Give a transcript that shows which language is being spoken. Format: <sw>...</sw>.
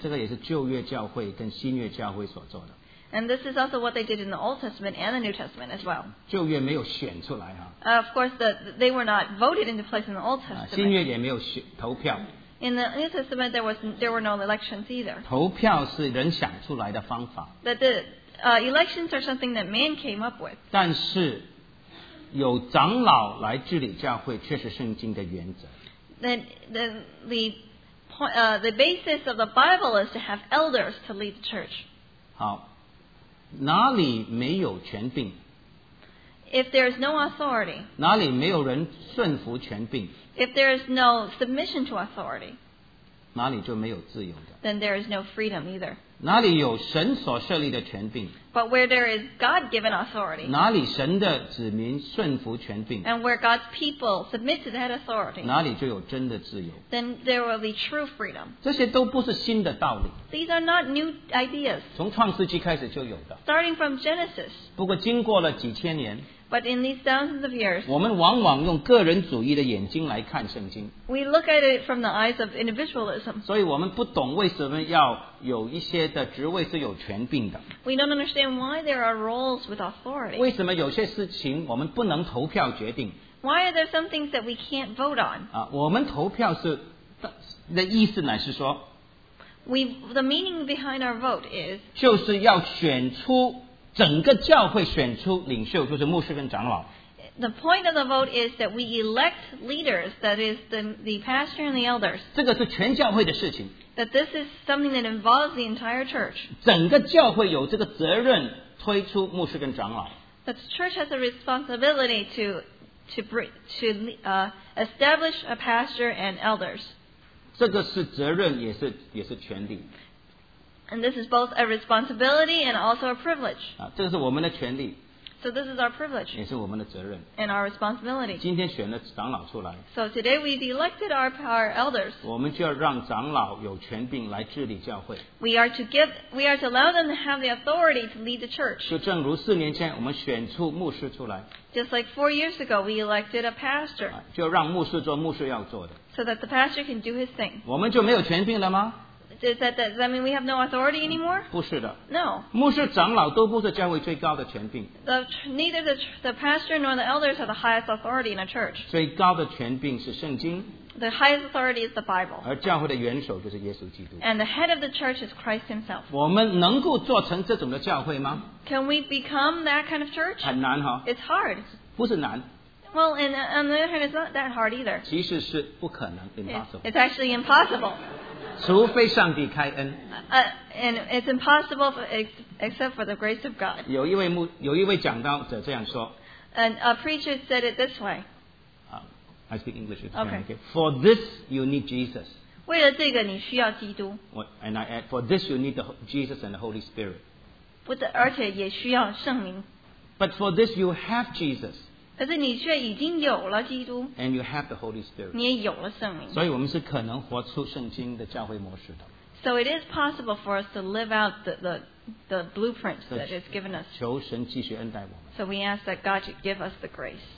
<zh>这个也是旧约教会跟新约教会所做的。</zh> <en>And this is also what they did in the Old Testament and the New Testament as well.</en> <zh>旧约没有选出来哈。</zh> <en>Of course, they were not voted into place in the Old Testament.</en> <zh>新约也没有选投票。</zh> <en>In the New Testament, there were no elections either.</en> <zh>投票是人想出来的方法。</zh> <en>But the elections are something that man came up with.</en> <zh>但是有长老来治理教会，却是圣经的原则。</zh> <en>The basis of the Bible is to have elders to lead the church.</en> <zh>好，哪里没有权柄？</zh> <en>If there is no authority.</en> <zh>哪里没有人顺服权柄？</zh> <en>If there is no submission to authority,</en> <zh>哪里就没有自由的。</zh> <en>Then there is no freedom either.</en> <zh>哪里有神所设立的权柄。</zh> <en>But where there is God-given authority,</en> <zh>哪里神的子民顺服权柄。</zh> <en>And where God's people submit to that authority,</en> <zh>哪里就有真的自由。</zh> <en>Then there will be true freedom.</en> <zh>这些都不是新的道理。</zh> <en>These are not new ideas.</en> <zh>从创世纪开始就有的。</zh> <en>Starting from Genesis.</en> <zh>不过经过了几千年。</zh> <en>But in these thousands of years,</en> <zh>我们往往用个人主义的眼睛来看圣经。</zh> <en>We look at it from the eyes of individualism.</en> <zh>所以我们不懂为什么要有一些的职位是有权柄的。</zh> <en>We don't understand why there are roles with authority.</en> <zh>为什么有些事情我们不能投票决定？</zh> <en>Why are there some things that we can't vote on?</en> <zh>啊，我们投票是的意思乃是说，</zh> <en>the meaning behind our vote is</en> <zh>就是要选出。整个教会选出领袖，就是牧师跟长老。</zh> <en>The point of the vote is that we elect leaders, that is the pastor and the elders.</en> <zh>这个是全教会的事情。</zh> <en>That this is something that involves the entire church.</en> <zh>整个教会有这个责任推出牧师跟长老。</zh> <en>That the church has a responsibility to establish a pastor and elders.</en> <zh>这个是责任，也是权利。</zh> <en>And this is both a responsibility and also a privilege.</en> <zh>啊，这是我们的权利。</zh> <en>So this is our privilege.</en> <zh>也是我们的责任。</zh> <en>And our responsibility.</en> <zh>今天选了长老出来。</zh> <en>So today we've elected our elders.</en> <zh>我们就要让长老有权柄来治理教会。</zh> <en>We are to allow them to have the authority to lead the church.</en> <zh>就正如四年前我们选出牧师出来。</zh> <en>Just like 4 years ago, we elected a pastor.</en> <zh>啊，就让牧师做牧师要做的。</zh> <en>So that the pastor can do his thing.</en> <zh>我们就没有权柄了吗？</zh> <en>Does that mean we have no authority anymore?</en> <zh>不是的。</zh> <en>No.</en> <zh>牧师长老都不是教会最高的权柄。</zh> <en>Neither the pastor nor the elders are the highest authority in a church.</en> <zh>最高的权柄是圣经。</zh> <en>The highest authority is the Bible.</en> <zh>而教会的元首就是耶稣基督。</zh> <en>And the head of the church is Christ himself.</en> <zh>我们能够做成这种的教会吗？</zh> <en>Can we become that kind of church?</en> <zh>很难哈。</zh> <en>It's hard.</en> <zh>不是难。</zh> <en>Well, and on the other hand, it's not that hard either.</en> <zh>其实是不可能， impossible.</zh> <en>It's actually impossible.</en> <zh>除非上帝开恩。</zh> <en>And it's impossible except for the grace of God.</en> <zh>有一位讲道者这样说。</zh> <en>And a preacher said it this way. I speak English. Okay. Okay. For this you need Jesus.</en> <zh>为了这个你需要基督。</zh> <en>And I add, for this you need Jesus and the Holy Spirit.</en> <zh>而且也需要圣灵。</zh> <en>But for this you have Jesus.</en> <zh>但是你却已经有了基督,</zh> <en>and you have the Holy Spirit.</en> <zh>你也有了圣灵, 所以我们是可能活出圣经的教会模式的。</zh> <en>So it is possible for us to live out the blueprint that is given us.</en> <zh>求神继续恩待我们。</zh> <en>So we ask that God should give us the grace.</en>